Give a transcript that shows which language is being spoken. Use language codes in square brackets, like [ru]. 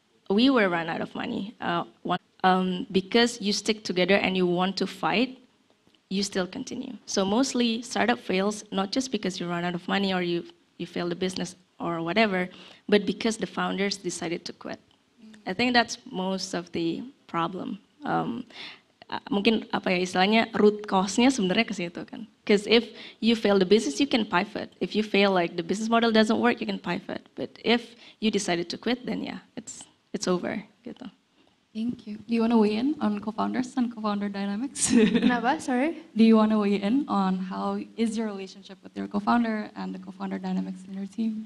[en] We were run out of money. Because you stick together and you want to fight, you still continue. So mostly, startup fails not just because you run out of money or you fail the business or whatever, but because the founders decided to quit. I think that's most of the problem. [id] Mungkin apa ya istilahnya root cause-nya sebenarnya ke situ kan. [en] Because if you fail the business, you can pivot. If you fail like the business model doesn't work, you can pivot. But if you decided to quit, then yeah, it's over gitu. Thank you. Do you want to weigh in on co-founders and co-founder dynamics? [id] Kenapa? Sorry. [en] Do you want to weigh in on how is your relationship with your co-founder and the co-founder dynamics in your team?